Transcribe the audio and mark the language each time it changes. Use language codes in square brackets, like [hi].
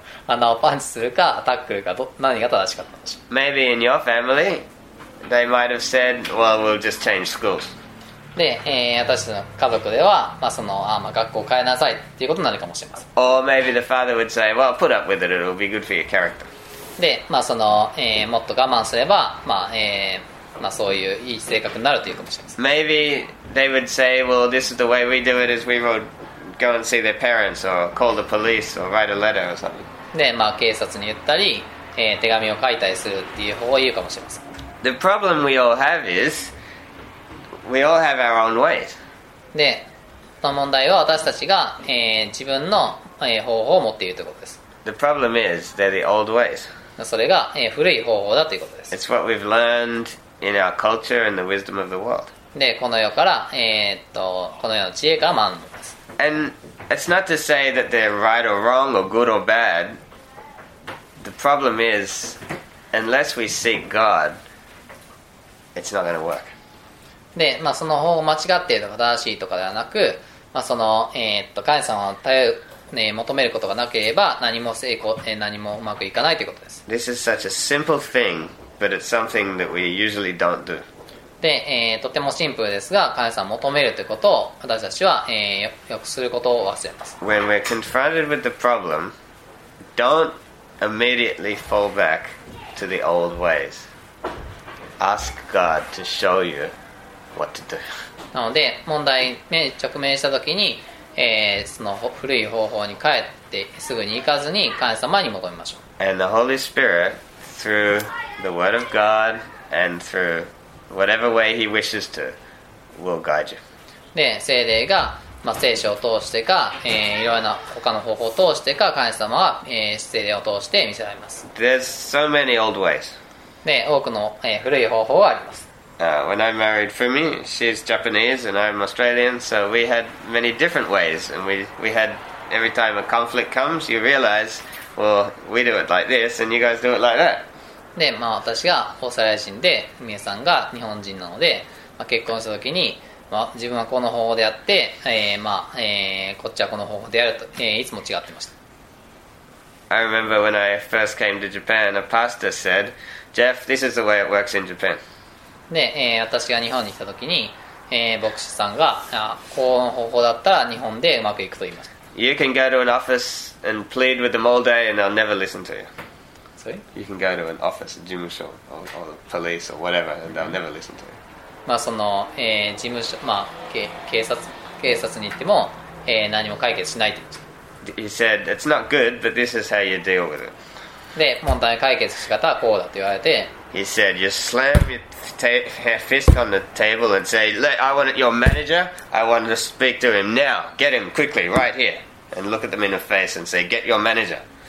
[ja] 穴をパンチするかタックルか何が正しかったんでしょう。 [en] Maybe in your family, they might have said, well, we'll just change schools. [ja] で、私たちの家族では、まあそのまあ、学校を変えなさいっていうことになるかもしれません。 [en] Or maybe the father would say, well, put up with it, it'll be good for your character. [ja] で、まあその、もっと我慢すれば、まあまあ、そういういい性格になるというかもしれません。 [en] Maybe they would say, well, this is the way we do it is we will go and see their parents or call the police or write a letter or something. [ja] で、まあ、警察に言ったり、手紙を書いたりするっていう方を言うかもしれません。 [en] The problem we all have is we all have our own ways. [ja] で、その問題は私たちが、自分の、方法を持っているということです。 [en] The problem is they're the old ways. [ja] それが、古い方法だということです。 [en] It's what we've learnedIn our culture and the wisdom of the world. [ja] で、この世から、この世の知恵から学んでいます。 [en] And it's not to say that they're right or wrong or good or bad. The problem is, unless we seek God, it's not going to work. [ja] で、まあ、その方法を間違っているとか正しいとかではなく、まあ、その、神様を頼る、ね、求めることがなければ、何も成功、何もうまくいかないということです。 [en] This is such a simple thing.But it's something that we usually don't do. [ja] で、とてもシンプルですが、神様を求めるということを私たちは、よくすることを忘れます。 [en] When we're confronted with the problem, don't immediately fall back to the old ways. Ask God to show you what to do. [ja] なので、問題に直面したときに、その古い方法に帰ってすぐに行かずに神様に戻りましょう。 [en] And the Holy Spirit, through the Word of God and through whatever way He wishes to, will guide you. [ja] で、聖霊が、まあ、聖書を通してか、いろいろな他の方法を通してか、神様は、聖霊を通して見せられます。 [en] There's so many old ways. [ja] で、多くの、古い方法はあります。 [en] When I married Fumi, she's Japanese and I'm Australian, so we had many different ways. And we had, every time a conflict comes, you realize, well, we do it like this and you guys do it like that. [ja] で、まあ私がオーストラリア人で、フミエさんが日本人なので、まあ、結婚した時に、まあ、自分はこの方法でやって、まあこっちはこの方法でやると、いつも違ってました。 [en] I remember when I first came to Japan, a pastor said, Jeff, this is the way it works in Japan. [ja] で、私が日本に来た時に、牧師さんがこの方法だったら日本でうまくいくと言いました。 [en] You can go to an office and plead with them all day and they'll never listen to you. Sorry? You can go to an office, 事務所 or police or whatever and they'll never listen to you. [ja] まあその、事務所、まあ、警察に行っても、何も解決しないと言いました。 [en] He said, it's not good, but this is how you deal with it. [ja] で、問題解決し方はこうだと言われて、 [en] He said, you slam your fist on the table and say, I want your manager, I want to speak to him now. Get him quickly, right here. And look at them in the face and say, get your manager.